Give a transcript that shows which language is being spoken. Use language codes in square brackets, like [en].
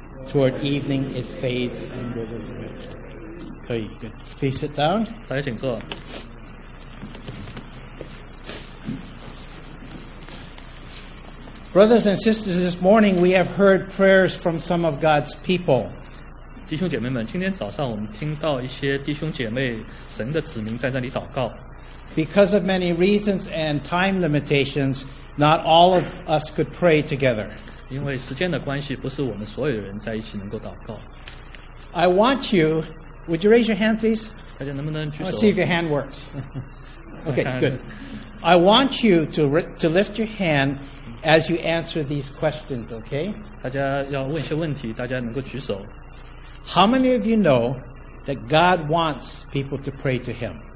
[en] Toward evening, it fades and withers away. Okay, good. Please sit down. Brothers and sisters, this morning we have heard prayers from some of God's people. [zh] 弟兄姐妹们，今天早上我们听到一些弟兄姐妹神的子民在那里祷告。 [en] Because of many reasons and time limitations, not all of us could pray together. [zh] 因为时间的关系，不是我们所有人在一起能够祷告。 [en] I want you, would you raise your hand please? [zh] 大家能不能举手？ [en] See if your hand works. Okay, good. I want you to lift your hand as you answer these questions, okay? [zh] 大家要问一些问题，大家能够举手。 [en] How many of you know that God wants people to pray to Him?